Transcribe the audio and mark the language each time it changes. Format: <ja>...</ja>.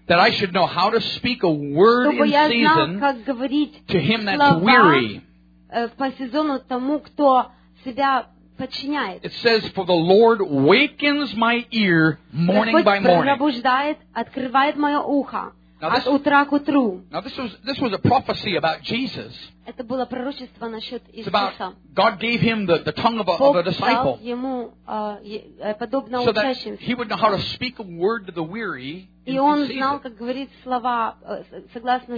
<en>That I should know how to speak a word in season.</en> <ru>Чтобы я знал, как говорить</ru> <en>to him that's weary.</en> <ru>По сезону тому, кто себя подчиняет.</ru> <en>It says, for the Lord wakens my ear morning by morning.</en> <ru>Господь пробуждает, открывает мое ухо. От утра к утру.</ru> <en>Now this was a prophecy about Jesus.</en> <ru>Это было пророчество насчет Иисуса.</ru> <en>It's about God gave him the tongue of a disciple.</en> <ru>Бог дал ему подобно учащимся.</ru> <en>So that he would know how to speak a word to the weary.</en> <ru>И он знал, как говорить слова согласно</ru>